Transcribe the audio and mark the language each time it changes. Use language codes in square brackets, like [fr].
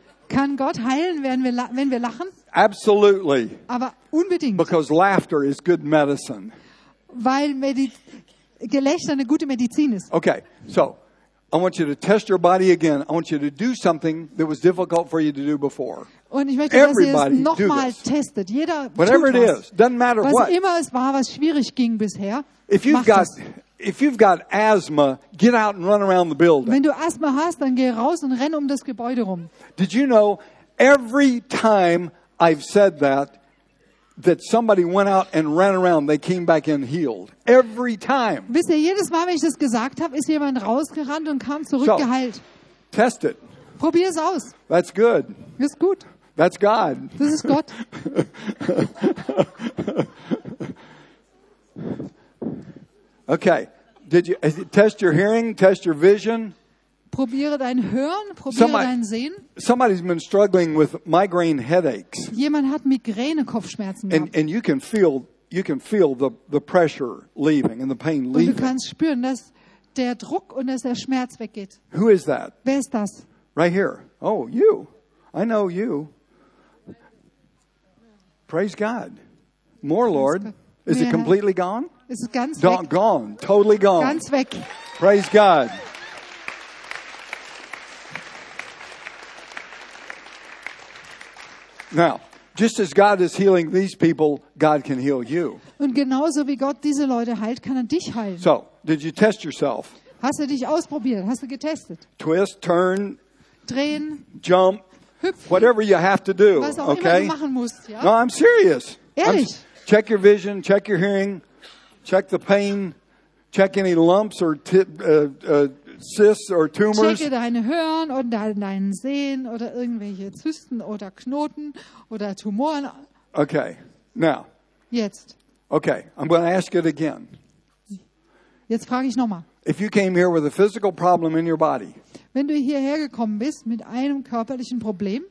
[de] Kann Gott heilen, wenn wir lachen? [en] Absolutely. [de] Aber unbedingt. [en] Because laughter is good medicine. [de] Weil Gelächter eine gute Medizin ist. [en] Okay, so I want you to test your body again. I want you to do something that was difficult for you to do before. [de] Und ich möchte, dass ihr es nochmal testet. Jeder [en] whatever [de] tut was. [en] It is, doesn't matter [de] was [en] what. [de] Was immer es war, was schwierig ging bisher. [en] If you've [de] macht [en] got if you've got asthma, get out and run around the building. [de] Wenn du Asthma hast, dann geh raus und renn um das Gebäude rum. [en] Did you know every time I've said that somebody went out and ran around, they came back and healed. Every time. [de] Wisst ihr, jedes Mal, wenn ich das gesagt habe, ist jemand rausgerannt und kam zurück geheilt. [en] Test it. [de] Probier es aus. [en] That's good. [de] Ist gut. [en] That's God. [de] Das ist Gott. [en] Okay. Did you test your hearing? Test your vision? [de] Probiere dein Hören, dein Sehen. [en] Somebody's been struggling with migraine headaches. [de] Jemand hat Migräne, Kopfschmerzen gehabt. [en] And you can feel the pressure leaving and the pain leaving. [de] Und du kannst spüren, dass der Druck und dass der Schmerz weggeht. [en] Who is that? [de] Wer ist das? [en] Right here. Oh, you. I know you. Praise God. More, Lord. Is it completely gone? [de] Ist es ganz weg? [en] Gone. Totally gone. [de] Ganz weg. [en] Praise God. Now, just as God is healing these people, God can heal you. [de] Und genauso wie Gott diese Leute heilt, kann dich heilen. [en] So, did you test yourself? [de] Hast du dich ausprobiert? Hast du getestet? [en] Twist, turn, [de] drehen, [en] jump, [de] hüpfen, [en] whatever you have to do, [de] was auch [en] okay? [de] Immer du machen musst, ja? [en] No, I'm serious. [de] Ehrlich? [en] Check your vision, check your hearing, check the pain, check any lumps or cysts or tumors. [de] Checke deine Hören und deinen Sehen oder irgendwelche Zysten oder Knoten oder Tumoren. [en] Okay, now. [de] Jetzt. [en] Okay, I'm going to ask it again. [de] Jetzt frage ich nochmal. [en] If you came here with a physical problem in your body. [de] Wenn du hierher gekommen bist mit einem körperlichen Problem.